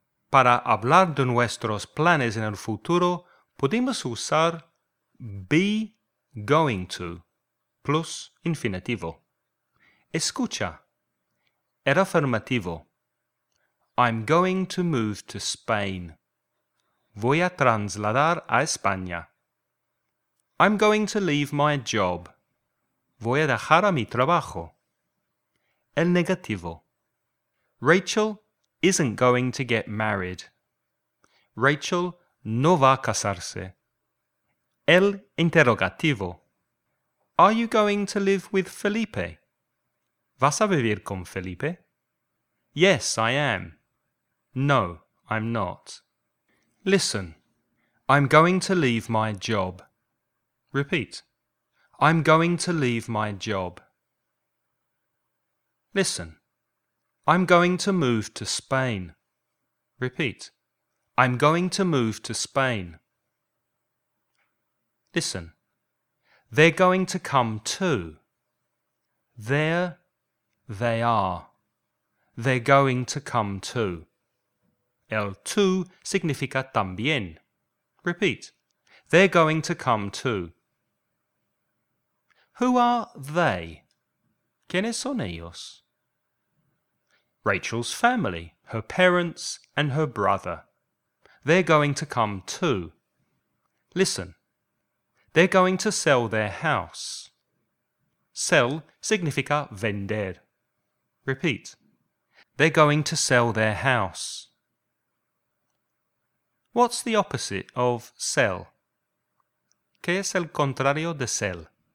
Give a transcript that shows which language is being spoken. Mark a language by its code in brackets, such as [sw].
[es] Para hablar de nuestros planes en el futuro, podemos usar be going to plus infinitivo. Escucha. El afirmativo. [en] I'm going to move to Spain. [es] Voy a trasladar a España. [en] I'm going to leave my job. [es] Voy a dejar a mi trabajo. El negativo. [en] Rachel isn't going to get married. [es] Rachel no va a casarse. El interrogativo. [en] Are you going to live with Felipe? [es] ¿Vas a vivir con Felipe? [en] Yes, I am. No, I'm not. Listen. I'm going to leave my job. Repeat. I'm going to leave my job. Listen. I'm going to move to Spain. Repeat. I'm going to move to Spain. Listen. They're going to come too. There they are. They're going to come too. [es] El tú significa también. [en] Repeat. They're going to come too. Who are they? [es] ¿Quiénes son ellos? [en] Rachel's family, her parents and her brother. They're going to come too. Listen. They're going to sell their house. [es] Sell significa vender. Repeat. [en] They're going to sell their house. What's the opposite of sell? [es] ¿Qué es el contrario de sell?